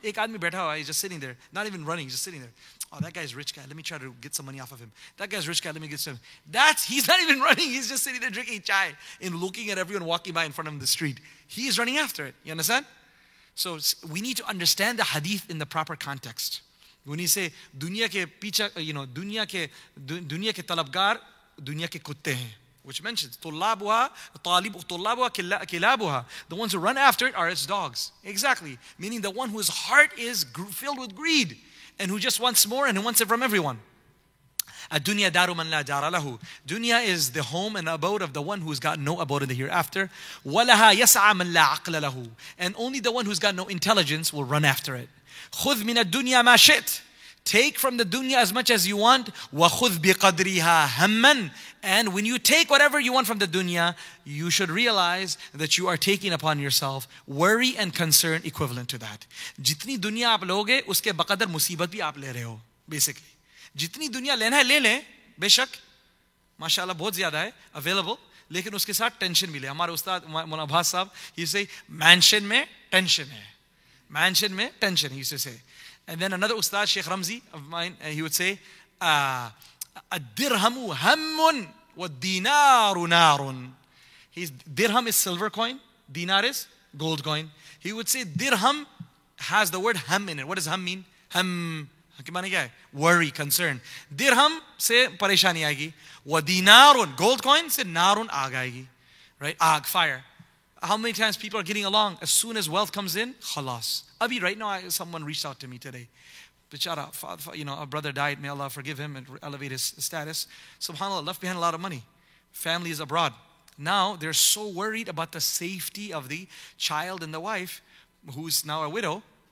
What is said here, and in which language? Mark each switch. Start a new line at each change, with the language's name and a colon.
Urdu: Ek aadmi baitha hua,
English: he's just sitting there. Not even running, he's just sitting there. Oh, that guy's rich guy. Let me try to get some money off of him. That guy's rich guy. Let me get some. He's not even running. He's just sitting there drinking chai and looking at everyone walking by in front of him in the street. He is running after it. You understand? So we need to understand the hadith in the proper context. When you say,
Urdu: دنیا کے پیچھا,
English: you know,
Urdu: دنیا کے طلبگار, دنیا کے کتے ہیں.
English: which mentions
Arabic: طلابها طالب طلابها كلابها.
English: The ones who run after it are its dogs. Exactly. Meaning the one whose heart is filled with greed and who just wants more and who wants it from everyone.
Arabic: الدنيا دار من لا دار له.
English: Dunya is the home and abode of the one who's got no abode in the hereafter.
Arabic: ولها يسعى من لا عقل له.
English: And only the one who's got no intelligence will run after it.
Arabic: خذ من الدنيا ما شئت.
English: Take from the dunya as much as you want.
Arabic: وَخُذْ بِقَدْرِهَا هَمَّنَ.
English: And when you take whatever you want from the dunya, you should realize that you are taking upon yourself worry and concern equivalent to that.
Urdu: جتنی دنیا آپ لوگے اس کے بقدر مصیبت بھی آپ لے رہے ہو.
English: Basically.
Urdu: جتنی دنیا لینا ہے لے لیں بے شک. ماشاءاللہ بہت زیادہ ہے available. لیکن اس کے ساتھ tension بھی لے. ہمارے استاد مولانا عباس صاحب,
English: he say,
Urdu: mansion میں tension ہے.
English: Mansion میں tension, he used to say. And then another ustad, Sheikh Ramzi of mine, he would say,
Arabic: الدِّرْهَمُ هَمٌ وَالدِّينَارُ نَارٌ.
English: His dirham is silver coin, dinar is gold coin. He would say, dirham has the word ham in it. What does ham mean? Ham, worry, concern. درہم سے پریشانی آئے گی.
Arabic: وَالدِّينَارٌ,
English: gold coin سے نارن آگ آئے گی. Right, aag, fire. How many times people are getting along? As soon as wealth comes in, khalas. Abi, right now, someone reached out to me today. Bichara, you know, a brother died. May Allah forgive him and elevate his status. SubhanAllah, left behind a lot of money. Family is abroad. Now, they're so worried about the safety of the child and the wife, who's now a widow.